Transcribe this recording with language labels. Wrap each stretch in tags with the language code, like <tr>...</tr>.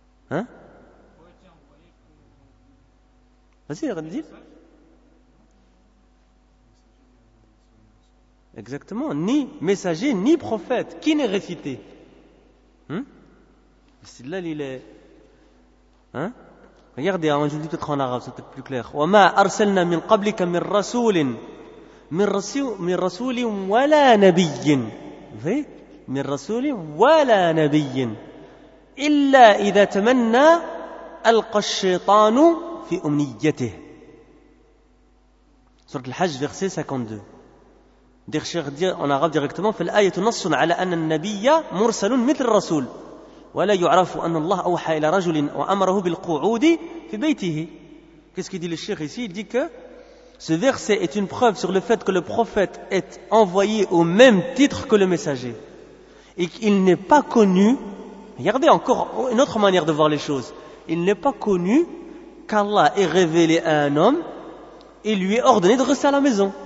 <fr>Hein? Vas-y, redis. Exactement, ni messager, ni prophète. Qui n'est récité? Istidlal, il est... Hein? Regardez, je vous dis peut-être en arabe, c'est peut-être plus clair.</fr> <ar>« وَمَا أَرْسَلْنَا مِنْ قَبْلِكَ مِنْ رَسُولٍ مِنْ رَسُولٍ وَلَا نَبِيٍّ »</ar> <fr>Vous voyez</fr> <ar>?« مِنْ رَسُولٍ وَلَا نَبِيٍّ إِلَّا إِذَا تَمَنَّا أَلْقَ الشَّيْطَانُ فِي أُمْنِيَّتِهِ »</ar> <fr>Sourate Al-Hajj, verset 52. Des chercheurs disent en arabe directement</fr> <ar>« فَلْ آيَةُ نَصٌ عَلَى أَنَّ النَّبِيَّ مُرْسَلٌ مِثْلِ الرَّسُولِ » ولا يعرف ان الله اوحى الى رجل وامره بالقعود في بيته.</ar> <fr>Qu'est-ce qu'il dit le cheikh ici? Il dit que ce verset est une preuve sur le fait que le prophète est envoyé au même titre que le messager et qu'il n'est pas connu. Regardez encore une autre manière de voir les choses. Il n'est pas connu qu'Allah ait révélé à un homme et lui ait ordonné de rester à la maison.</fr>